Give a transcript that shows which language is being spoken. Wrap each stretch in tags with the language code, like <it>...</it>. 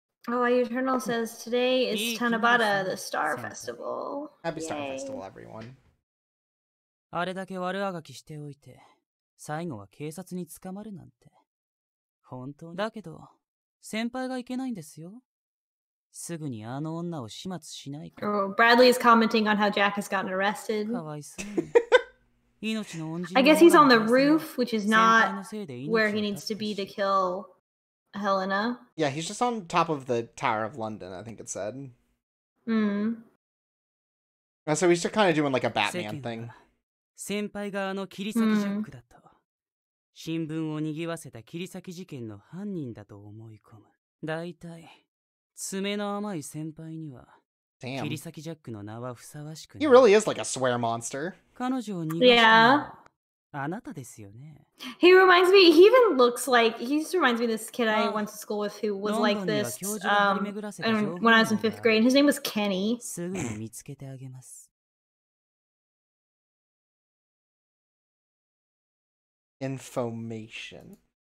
<en>Oh, Eternal says today is Tanabata, the Star Festival. Happy Star Festival, everyone.</en> <ja>あれだけ悪あがきしておいて、最後は警察に捕まるなんて。本当だけど、先輩がいけないんですよ。すぐにあの女を始末しないか。</ja> <en>Bradley is commenting on how Jack has gotten arrested.</en> <ja>かわいそう。命の恩人。</ja> <en>I guess he's on the roof, which is not where he needs to be to kill. Helena. Yeah, he's just on top of the Tower of London, I think it said. Hmm. So he's just kind of doing like a Batman thing.</en> <ja>先輩があの切り裂きジャックだと、新聞を賑わせた切り裂き事件の犯人だと思い込む。大体、爪の甘い先輩には、切り裂きジャックの名はふさわしくない。</ja> <en>He really is like a swear monster.</en> <ja>彼女を逃がしたのは、あなたですよね。</ja> <en>He reminds me, he even looks like, he just reminds me of this kid I went to school with who was like this when I was in fifth grade. His name was Kenny.</en> <ja>すぐに見つけてあげます。</ja> <en>Information.</en>